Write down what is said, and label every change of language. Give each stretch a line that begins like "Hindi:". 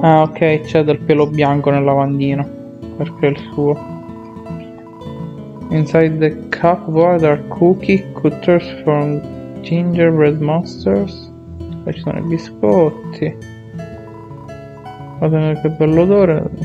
Italian: Ah, ok, c'è del pelo bianco nel lavandino. Perché è il suo.
English: Inside the cupboard are cookie cutters from gingerbread monsters.
Italian: Qua ci sono i biscotti. Guardate che bello odore.